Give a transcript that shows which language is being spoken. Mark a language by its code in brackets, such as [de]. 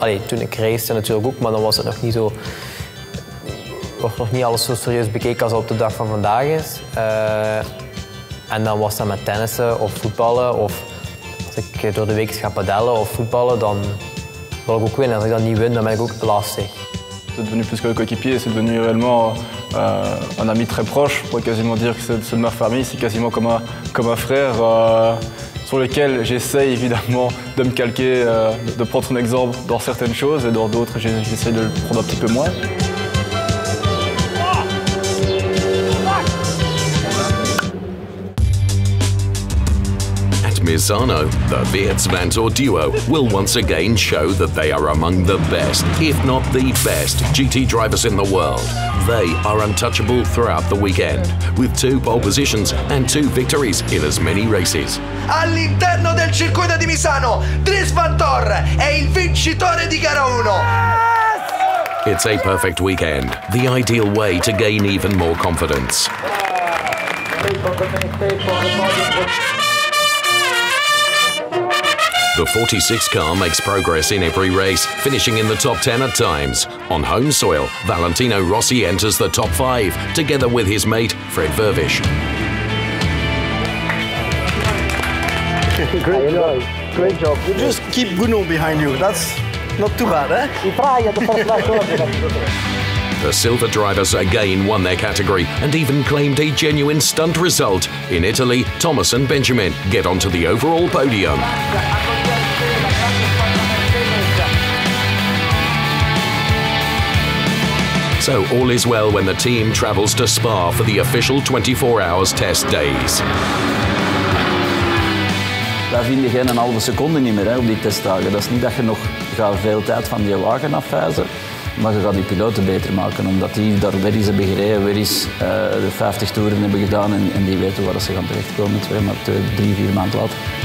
[nl] Toen ik reisde natuurlijk ook, maar dan was het nog niet zo. Was nog niet alles zo serieus bekeken als het op de dag van vandaag is. En dan was dat met tennissen of voetballen. Of als ik door de week ga padellen of voetballen, dan wil ik ook winnen. Als ik dat niet win, dan ben ik ook lastig. [fr] C'est devenu plus que le coéquipier, c'est devenu réellement un ami très proche. Je pourrais quasiment dire que c'est de ma famille, c'est quasiment comme un frère sur lequel j'essaye évidemment de me calquer, de prendre son exemple dans certaines choses et dans d'autres, j'essaye de le prendre un petit peu moins. [en] At Misano, the Wirtz Van Tor duo will once again show that they are among the best, if not the best, GT drivers in the world. They are untouchable throughout the weekend, with two pole positions and two victories in as many races. [it] All'interno del circuito di Misano, Dries Van Tor è il vincitore di gara 1. [en] It's a perfect weekend, the ideal way to gain even more confidence. The 46 car makes progress in every race, finishing in the top 10 at times. On home soil, Valentino Rossi enters the top 5, together with his mate, Fred Vervish. Great job. You just keep Gounon behind you. That's not too bad, eh? We try at the first lap. The silver drivers again won their category and even claimed a genuine stunt result. In Italy, Thomas and Benjamin get onto the overall podium. So all is well when the team travels to Spa for the official 24 hours test days. [nl] Daar vind je geen een halve seconde niet meer hè, op die testdagen. Dat is niet dat je nog gaat veel tijd van die wagen afwijzen, maar je gaat die piloten beter maken, omdat die daar weer eens hebben gereden, weer eens de 50 toeren hebben gedaan en die weten waar ze gaan terechtkomen, drie, vier maanden later.